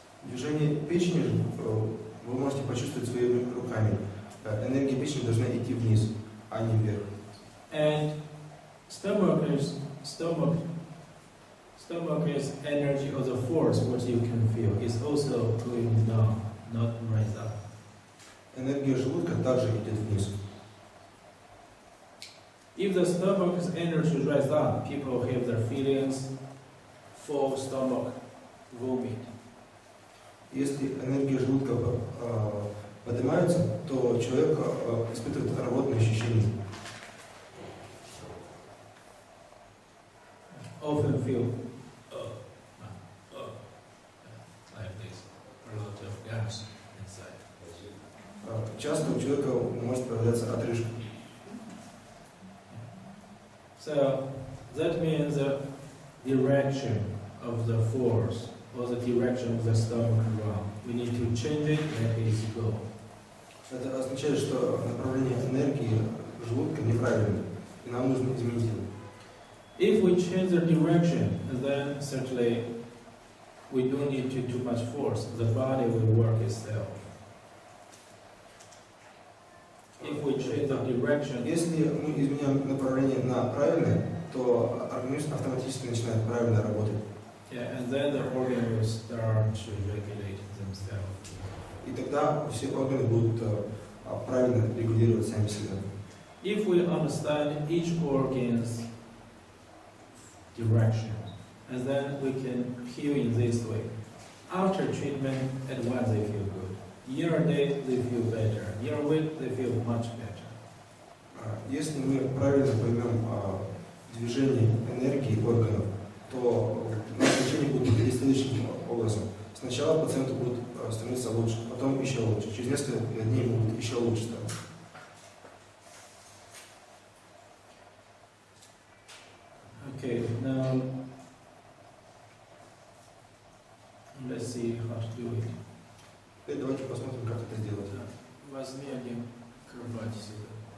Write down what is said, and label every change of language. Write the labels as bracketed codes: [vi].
[ru] Движение печени вы можете почувствовать своими руками. Энергия печени должна идти вниз, а не вверх. [en] And stomach's energy or the force, what you can feel, is also going down, not rise up. [ru] Энергия желудка также идет вниз. [en] If the stomach's energy rises up, people have their feelings full stomach, vomit. [ru] Если энергия желудка поднимается, то человек испытывает рвотные ощущения. [en] Often feel like this, a lot of gas inside. [ru] Часто у человека может появляться отрыжка. [en] So that means the direction of the force. Or the direction of the stomach wrong. We need to change it and it is go. [ru] Это означает, что направление энергии желудка неправильно, и нам нужно изменить его. [en] If we change the direction, then certainly we don't need to too much force. The body will work itself. If we change the direction, [ru] если мы изменяем направление на правильное, то организм автоматически начинает правильно работать. [en] Yeah, and then the organ will start to regulate themselves. [ru] И тогда все органы будут правильно регулировать сами себя. [en] If we understand each organ's direction, and then we can heal in this way. After treatment, at once they feel good. Year or day they feel better. Year or week they feel much better. [ru] Если мы правильно поймем движение энергии органов, то лечение будет идти следующим образом. Сначала пациенту будет становиться лучше, потом еще лучше. Через несколько дней ему будет еще лучше становиться. [en] Okay, now let's see how to do it. [ru] Теперь давайте посмотрим, как это сделать. Да. Возьми один кровать сюда.